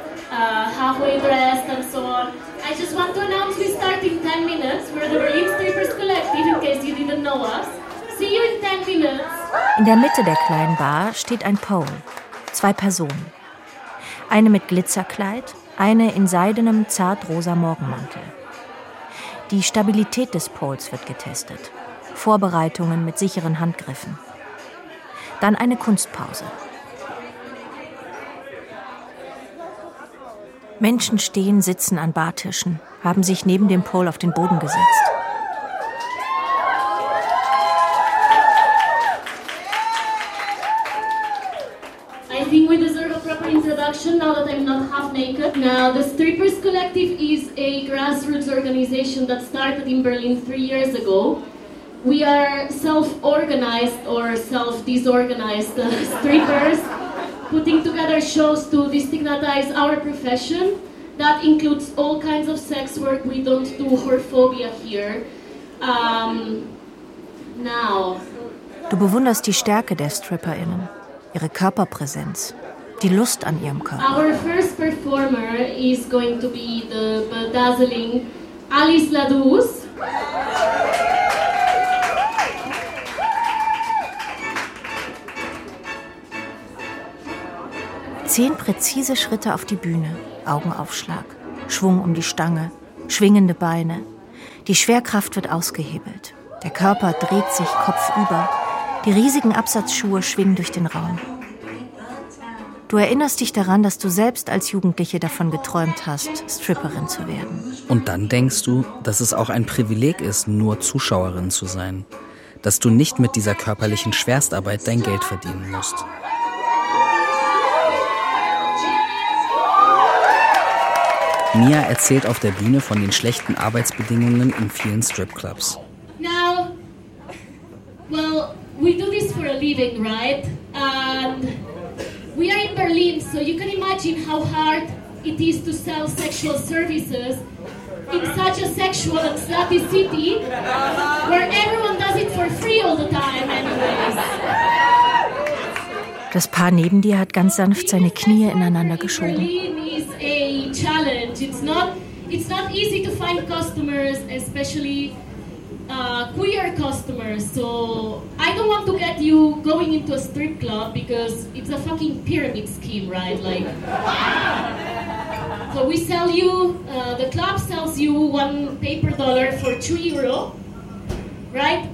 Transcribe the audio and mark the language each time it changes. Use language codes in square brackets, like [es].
[en] Minutes before their show, halfway dressed and so on. I just want to announce we start in 10 minutes for the Relief Strippers Collective, in case you didn't know us. See you in 10 minutes. [de] In der Mitte der kleinen Bar steht ein Pole, zwei Personen. Eine mit Glitzerkleid, eine in seidenem, zartrosa Morgenmantel. Die Stabilität des Poles wird getestet. Vorbereitungen mit sicheren Handgriffen. Dann eine Kunstpause. Menschen stehen, sitzen an Bartischen, haben sich neben dem Pole auf den Boden gesetzt. [en] I think we deserve a proper introduction now that I'm not half naked. Now, the Strippers Collective is a grassroots organization that started in Berlin 3 years ago. We are self-organized or self-disorganized strippers, putting together shows to destigmatize our profession. That includes all kinds of sex work. We don't do whorephobia here. Now. [de] Du bewunderst die Stärke der StripperInnen, ihre Körperpräsenz, die Lust an ihrem Körper. [en] Our first performer is going to be the bedazzling Alice Ladouze. [de] Zehn präzise Schritte auf die Bühne, Augenaufschlag, Schwung um die Stange, schwingende Beine. Die Schwerkraft wird ausgehebelt. Der Körper dreht sich kopfüber. Die riesigen Absatzschuhe schwingen durch den Raum. Du erinnerst dich daran, dass du selbst als Jugendliche davon geträumt hast, Stripperin zu werden. Und dann denkst du, dass es auch ein Privileg ist, nur Zuschauerin zu sein. Dass du nicht mit dieser körperlichen Schwerstarbeit dein Geld verdienen musst. Mia erzählt auf der Bühne von den schlechten Arbeitsbedingungen in vielen Stripclubs. [en] Now, well, we do this for a living, right? And we are in Berlin, so you can imagine how hard it is to sell sexual services in such a sexual and slutty city where everyone does it for free all the time anyways. [de] Das Paar neben dir hat ganz sanft seine Knie ineinander geschoben. [en] A challenge. It's not easy to find customers, especially queer customers. So I don't want to get you going into a strip club because it's a fucking pyramid scheme, right? Like, so we sell you, the club sells you one paper dollar for €2, right?